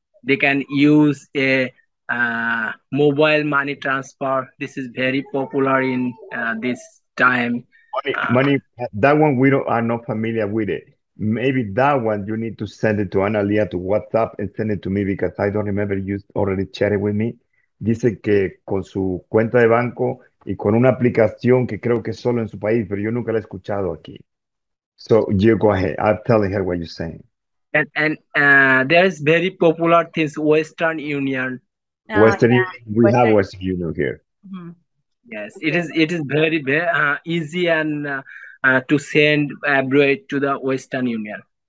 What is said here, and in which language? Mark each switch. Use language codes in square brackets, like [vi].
[en] They can use a mobile money transfer. This is very popular in this time. Money, that one we are not familiar with it. Maybe that one you need to send it to Analia to WhatsApp and send it to me, because I don't remember you already shared it with me. [es] Dice que con su cuenta de banco y con una aplicación que creo que es solo en su país, pero yo nunca la he escuchado aquí. [en] So you go ahead. I'll tell her what you're saying. And there is very popular things, Western Union. Western Yeah, Union, we have Western Union here. Yes, it is very easy and to send abroad to the Western Union.